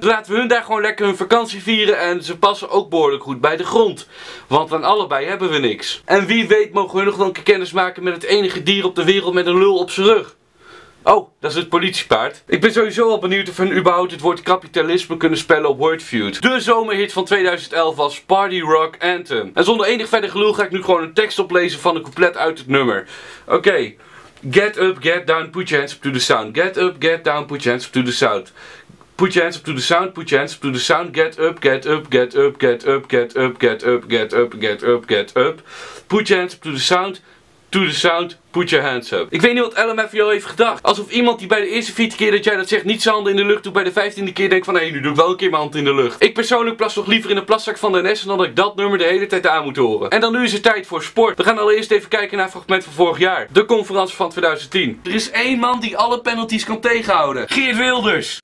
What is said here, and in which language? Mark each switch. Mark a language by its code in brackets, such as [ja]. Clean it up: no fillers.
[nl] Dus laten we hun daar gewoon lekker hun vakantie vieren en ze passen ook behoorlijk goed bij de grond. Want aan allebei hebben we niks. En wie weet mogen we nog wel een keer kennis maken met het enige dier op de wereld met een lul op zijn rug. Oh, dat is het politiepaard. Ik ben sowieso al benieuwd of we überhaupt het woord kapitalisme kunnen spellen op Wordfeud. De zomerhit van 2011 was Party Rock Anthem. En zonder enig verder gelul ga ik nu gewoon een tekst oplezen van een couplet uit het nummer. Oké. [en] Get up, get down, put your hands up to the sound. Get up, get down, put your hands up to the sound. Put your hands up to the sound, put your hands up to the sound. Get up, get up, get up, get up, get up, get up, get up, get up, get up. Put your hands up to the sound. To the sound, put your hands up. [nl] Ik weet niet wat LMFAO heeft gedacht. Alsof iemand die bij de eerste 14 keer dat jij dat zegt niet zijn handen in de lucht doet, bij de 15e keer denkt van hé, nu doe ik wel een keer mijn hand in de lucht. Ik persoonlijk plas toch liever in de plaszak van de NS dan dat ik dat nummer de hele tijd aan moet horen. En dan nu is het tijd voor sport. We gaan allereerst even kijken naar een fragment van vorig jaar. De conferentie van 2010. Er is één man die alle penalties kan tegenhouden. Geert Wilders.